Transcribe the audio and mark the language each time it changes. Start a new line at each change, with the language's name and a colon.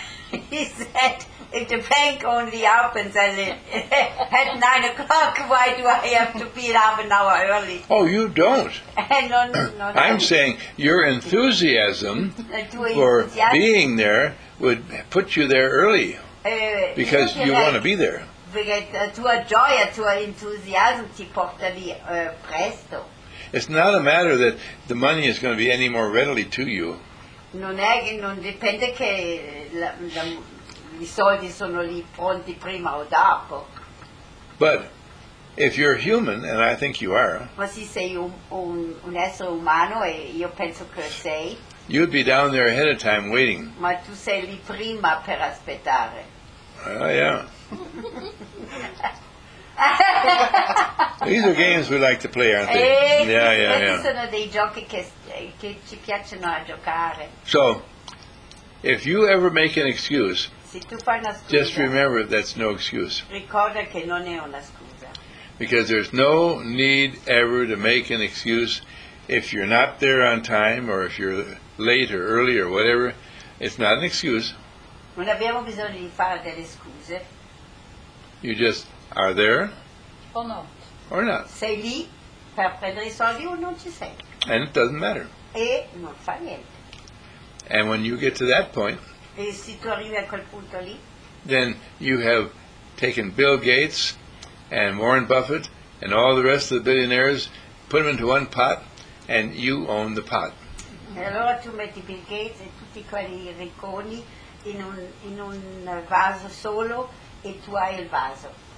English: He said, if the bank only opens at 9 o'clock, why do I have to be half an hour early? Oh, you don't. No. I'm saying your enthusiasm for being there would put you there early because you want to be there.
Italian: Perché la tua gioia, tua entusiasmo ti porta lì presto.
English: It's not a matter that the money is going to be any more readily to you.
Italian: Non dipende che i soldi sono lì pronti prima o dopo.
English: But if you're human, and I think you are,
Italian: ma se sei un essere umano e io penso che sei,
English: you'd be down there ahead of time waiting.
Italian: Ma tu sei lì prima per aspettare.
English: Oh yeah. These are games we like to play, aren't they? Yeah.
Italian: Sono dei giochi che ci piacciono a giocare.
English: So, if you ever make an excuse,
Italian: se tu fai una scusa,
English: just remember that's no excuse.
Italian: Ricorda che non è una scusa.
English: Because there's no need ever to make an excuse if you're not there on time or if you're late or early or whatever, it's not an excuse.
Italian: Non abbiamo bisogno di fare delle scuse.
English: You just are there or not. Or not.
Italian: Sei lì per prendere i soldi o non ci sei.
English: And it doesn't matter.
Italian: E non fa niente.
English: And when you get to that point,
Italian: e se tu arrivi a quel punto lì,
English: then you have taken Bill Gates and Warren Buffett and all the rest of the billionaires, put them into one pot, and you own the pot.
Italian: E allora tu metti Bill Gates e tutti quelli ricconi in un vaso solo e tu hai il vaso.